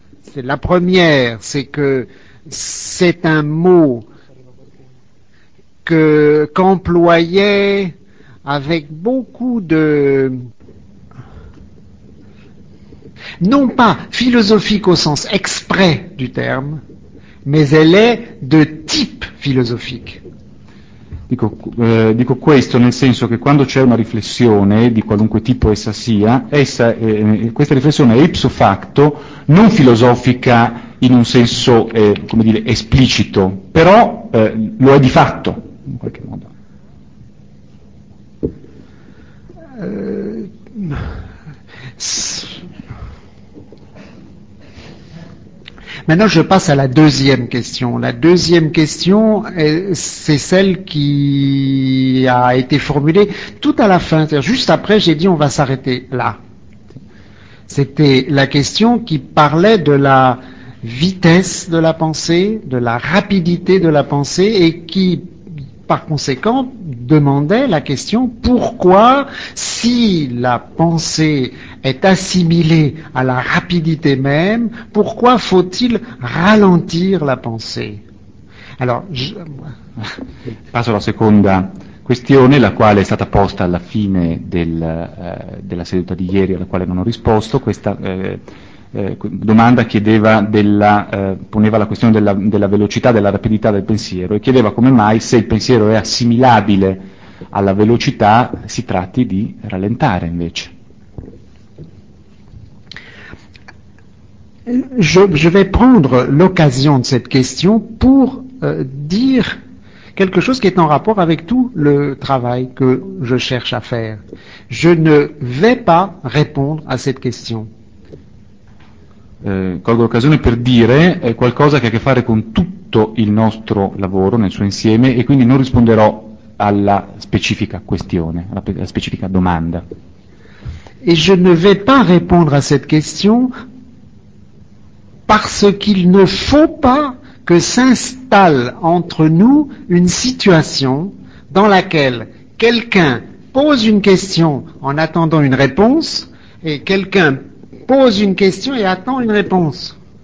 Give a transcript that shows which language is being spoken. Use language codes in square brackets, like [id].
[fr] C'est la première, c'est que c'est un mot qu'employait avec beaucoup de, non pas philosophique au sens exprès du terme, mais elle est de type philosophique. [it] Dico questo nel senso che quando c'è una riflessione, di qualunque tipo essa sia, questa riflessione è ipso facto non filosofica in un senso, come dire, esplicito, però lo è di fatto. In qualche modo. [fr] Maintenant, je passe à la deuxième question. La deuxième question, c'est celle qui a été formulée tout à la fin. C'est-à-dire juste après, j'ai dit on va s'arrêter là. C'était la question qui parlait de la vitesse de la pensée, de la rapidité de la pensée et qui, par conséquent, demandait la question pourquoi, si la pensée est assimilée à la rapidité même, pourquoi faut-il ralentir la pensée? [it] Alors, passo alla seconda questione, la quale è stata posta alla fine della seduta di ieri, alla quale non ho risposto. Questa domanda chiedeva poneva la questione della velocità, della rapidità del pensiero e chiedeva come mai se il pensiero è assimilabile alla velocità si tratti di rallentare invece. [fr] Je vais prendre l'occasion de cette question pour dire quelque chose qui est en rapport avec tout le travail que je cherche à faire. Je ne vais pas répondre à cette question. [it] Colgo l'occasione per dire qualcosa che ha a che fare con tutto il nostro lavoro nel suo insieme e quindi non risponderò alla specifica questione, alla specifica domanda. [fr] Et je ne vais pas répondre à cette question parce qu'il ne faut pas que s'installe entre nous une situation dans laquelle quelqu'un pose une question en attendant une réponse et quelqu'un pose une question et attend une réponse.